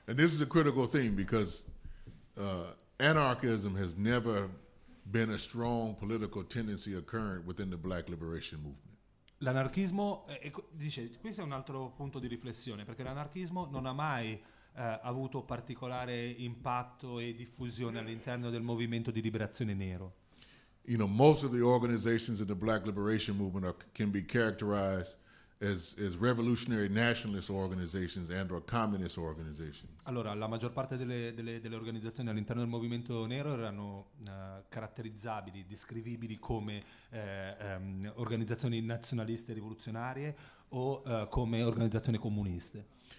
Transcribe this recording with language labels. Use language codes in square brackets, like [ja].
[en] And this is a critical thing because anarchism has never been a strong political tendency occurring within the Black Liberation Movement. [it] L'anarchismo, dice, questo è un altro punto di riflessione, perché l'anarchismo non ha mai avuto particolare impatto e diffusione all'interno del movimento di liberazione nero. [en] You know, most of the organizations of the Black Liberation Movement can be characterized as revolutionary nationalist organizations and or communist organizations. [it] Allora, la maggior parte delle organizzazioni all'interno del movimento nero erano caratterizzabili, descrivibili come organizzazioni nazionaliste rivoluzionarie o come organizzazioni comuniste.